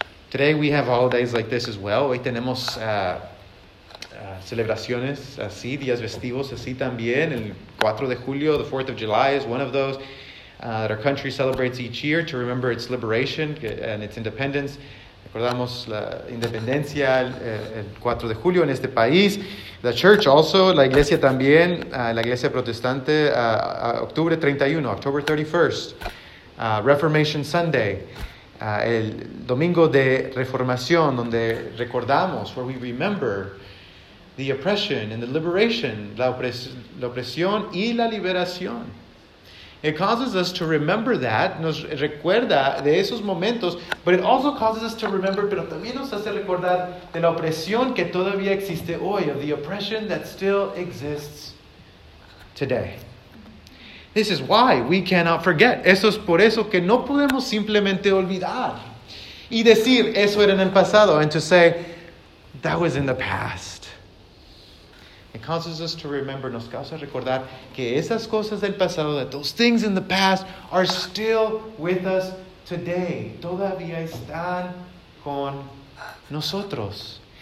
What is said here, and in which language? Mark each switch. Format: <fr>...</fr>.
<en>Today we have holidays like this as well.</en> <es>Hoy tenemos celebraciones así, días festivos así también. El 4 de julio,</es> <en>the 4th of July is one of those that our country celebrates each year to remember its liberation and its independence.</en> <es>Recordamos la independencia el 4 de julio en este país.</es> <en>The church also,</en> <es>la iglesia también, la iglesia protestante, octubre 31,</es> <en>October 31st, Reformation Sunday.</en> <es>El domingo de reformación, donde recordamos,</es> <en>where we remember the oppression and the liberation,</en> <es>la opresión y la liberación.</es> <en>It causes us to remember that,</en> <es>nos recuerda de esos momentos,</es> <en>but it also causes us to remember,</en> <es>pero también nos hace recordar de la opresión que todavía existe hoy,</es> <en>of the oppression that still exists today. This is why we cannot forget.</en> <es>Eso es por eso que no podemos simplemente olvidar. Y decir, eso era en el pasado.</es> <en>And to say, that was in the past. It causes us to remember,</en> <es>nos causa recordar que esas cosas del pasado,</es> <en>that those things in the past are still with us today.</en> <es>Todavía están con nosotros.</es>